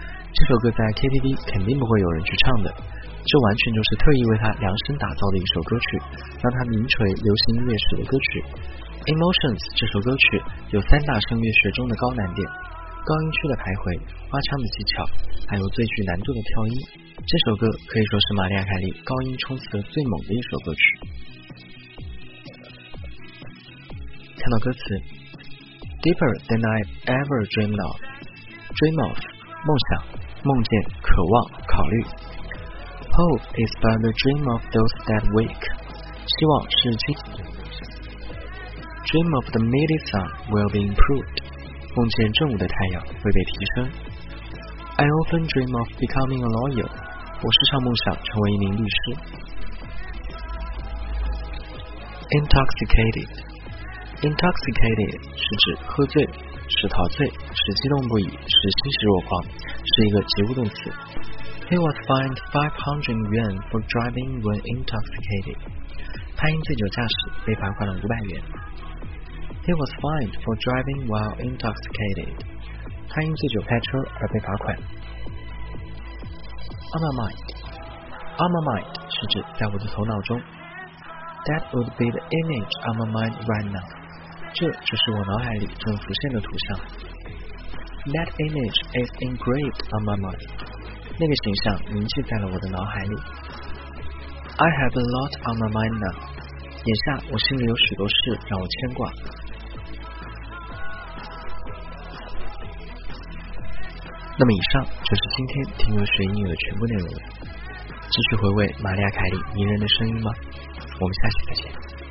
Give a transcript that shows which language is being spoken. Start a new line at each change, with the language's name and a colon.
Chinese: 这首歌在 KTV 肯定不会有人去唱的，这完全就是特意为他量身打造的一首歌曲，让他名垂流行音乐史的歌曲。 Emotions 这首歌曲有三大声乐学中的高难点，高音区的徘徊，花腔的技巧，还有最具难度的跳音。这首歌可以说是玛丽亚凯莉高音冲刺的最猛的一首歌曲。看到歌词，
English: Deeper than I ever dreamed of， Dream of，
Chinese: 梦想，梦见，渴望，考虑。
English: Hope is but the dream of those that wake，
Chinese: 希望是清醒的。
English: Dream of the midday sun will be improved，
Chinese: 梦见正午的太阳会被提升。
English: I often dream of becoming a lawyer，
Chinese: 我时常梦想成为一名律师。 Intoxicated， Intoxicated 是指喝醉，是陶醉，是激动不已，是欣喜若狂，是一个及物动词。
English: He was fined 500 yuan for driving when intoxicated.
Chinese: 他因醉酒驾驶被罚款了500元。
English: He was fined for driving while intoxicated.
Chinese: 他因醉酒开车而被罚款。
English: On my mind.
Chinese: On my mind 是指在我的头脑中。
English: That would be the image on my mind right now.
Chinese: 这就是我脑海里正浮现的图像。
English: That image is engraved on my mind.
Chinese: 那个形象铭记在了我的脑海里。
English: I have a lot on my mind now，
Chinese: 眼下我心里有许多事让我牵挂。那么以上就是今天听歌学英语的全部内容了，继续回味玛丽亚凯莉迷人的声音吗？我们下期再见。